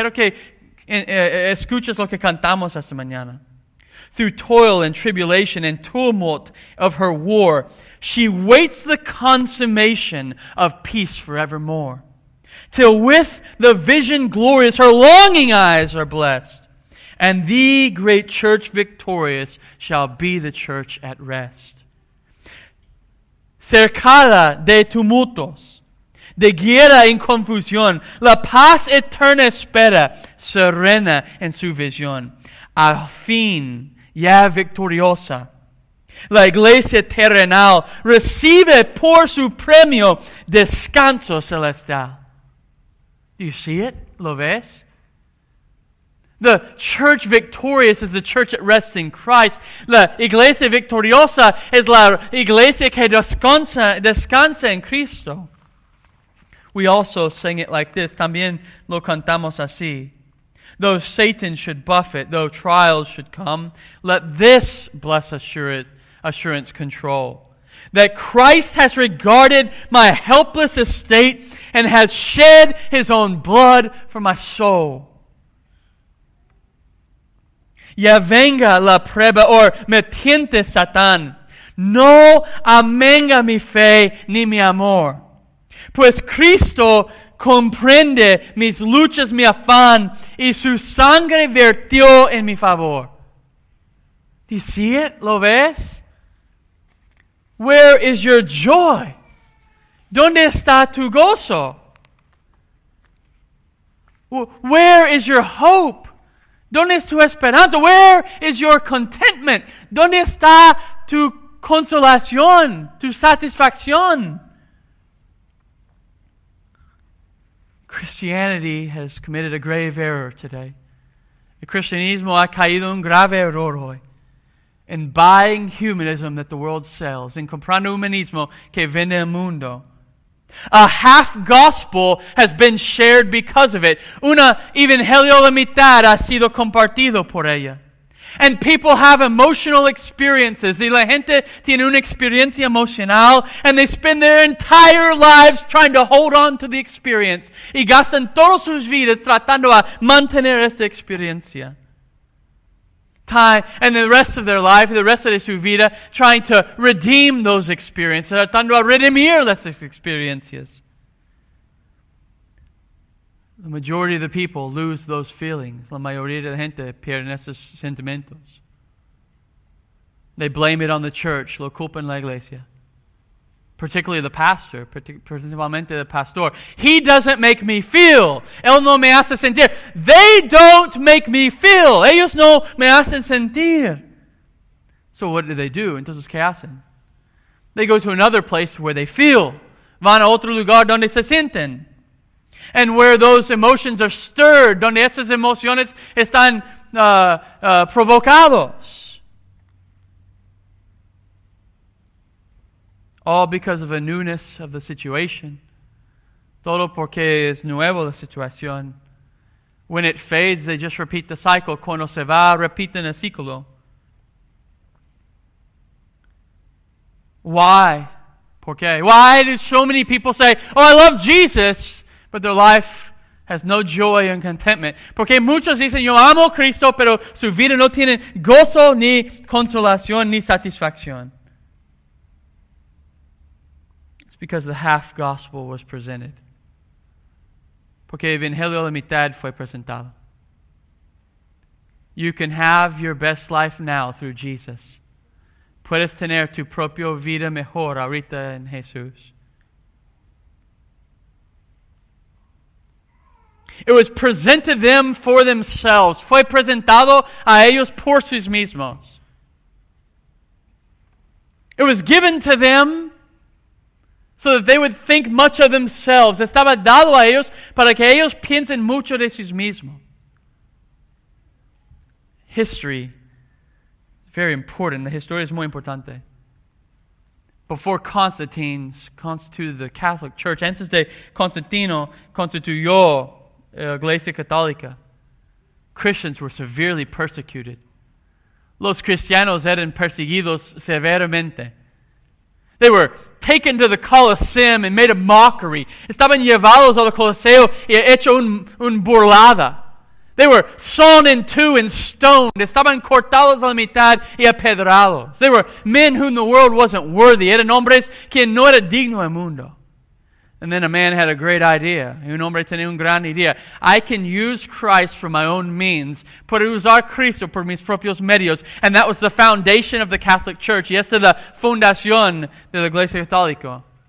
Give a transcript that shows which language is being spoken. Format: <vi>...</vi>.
<es>Quiero que escuches lo que cantamos esta mañana.</es> <en>Through toil and tribulation and tumult of her war, she waits the consummation of peace forevermore. Till with the vision glorious, her longing eyes are blessed. And the great church victorious shall be the church at rest.</en> <es>Cercada de tumultos, de guerra en confusión, la paz eterna espera, serena en su visión. Al fin, ya victoriosa, la iglesia terrenal recibe por su premio descanso celestial.</es> <en>Do you see it?</en> <es>¿Lo ves?</es> <en>The church victorious is the church at rest in Christ.</en> <es>La iglesia victoriosa es la iglesia que descansa en Cristo.</es> <en>We also sing it like this.</en> <es>También lo cantamos así.</es> <en>Though Satan should buffet, though trials should come, let this blessed assurance control. That Christ has regarded my helpless estate and has shed his own blood for my soul.</en> <es>Ya venga la prueba, or me tiente Satán. No amenga mi fe ni mi amor. Pues Cristo comprende mis luchas, mi afán, y su sangre vertió en mi favor.</es> <en>Do you see it?</en> <es>¿Lo ves?</es> <en>Where is your joy?</en> <es>¿Dónde está tu gozo?</es> <en>Where is your hope?</en> <es>¿Dónde es tu esperanza?</es> <en>Where is your contentment?</en> <es>¿Dónde está tu consolación, tu satisfacción?</es> <en>Christianity has committed a grave error today.</en> <es>El cristianismo ha caído un grave error hoy.</es> <en>In buying humanism that the world sells,</en> <es>in comprando humanismo que vende el mundo.</es> <en>A half-gospel has been shared because of it.</en> <es>Una evangelio a la mitad ha sido compartido por ella.</es> <en>And people have emotional experiences.</en> <es>Y la gente tiene una experiencia emocional.</es> <en>And they spend their entire lives trying to hold on to the experience.</en> <es>Y gastan todas sus vidas tratando a mantener esta experiencia.</es> <en>time and the rest of their life, the rest of</en> <es>su vida,</es> <en>trying to redeem those experiences.</en> <es>Tratando de redimir las experiencias.</es> <en>The majority of the people lose those feelings.</en> <es>La mayoría de la gente pierde esos sentimientos.</es> <en>They blame it on the church.</en> <es>Lo culpan la iglesia.</es> <en>Particularly the pastor, principalmente the pastor. He doesn't make me feel.</en> <es>Él no me hace sentir.</es> <en>They don't make me feel.</en> <es>Ellos no me hacen sentir.</es> <en>So what do?</en> <es>Entonces, ¿qué hacen?</es> <en>They go to another place where they feel.</en> <es>Van a otro lugar donde se sienten.</es> <en>And where those emotions are stirred,</en> <es>donde esas emociones están provocados.</es> <en>All because of the newness of the situation.</en> <es>Todo porque es nuevo la situación.</es> <en>When it fades, they just repeat the cycle.</en> <es>Cuando se va, repiten el ciclo.</es> <en>Why?</en> <es>¿Por qué?</es> <en>Why do so many people say, oh, I love Jesus, but their life has no joy and contentment?</en> <es>Porque muchos dicen, yo amo a Cristo, pero su vida no tiene gozo, ni consolación, ni satisfacción.</es> <en>Because the half gospel was presented.</en> <es>Porque el evangelio de mitad fue presentado.</es> <en>You can have your best life now through Jesus.</en> <es>Puedes tener tu propia vida mejor ahorita en Jesús.</es> <en>It was presented them for themselves.</en> <es>Fue presentado a ellos por sus mismos.</es> <en>It was given to them so that they would think much of themselves.</en> <es>Estaba dado a ellos para que ellos piensen mucho de sí mismos.</es> <en>History, very important.</en> <es>La historia es muy importante.</es> <en>Before Constantine constituted the Catholic Church,</en> <es>antes de Constantino constituyó la Iglesia Católica,</es> <en>Christians were severely persecuted.</en> <es>Los cristianos eran perseguidos severamente.</es> <en>They were taken to the Colosseum and made a mockery.</en> <es>Estaban llevados al Coliseo y hecho un burlada.</es> <en>They were sawn in two and stoned.</en> <es>Estaban cortados a la mitad y apedrados.</es> <en>They were men whom the world wasn't worthy.</en> <es>Eran hombres quien no era digno del mundo.</es> <en>And then a man had a great idea.</en> <es>Un hombre tenía una gran idea.</es> <en>I can use Christ for my own means.</en> <es>Puedo usar Cristo por mis propios medios.</es> <en>And that was the foundation of the Catholic Church.</en> <es>Y esa es la fundación de la Iglesia Católica.</es>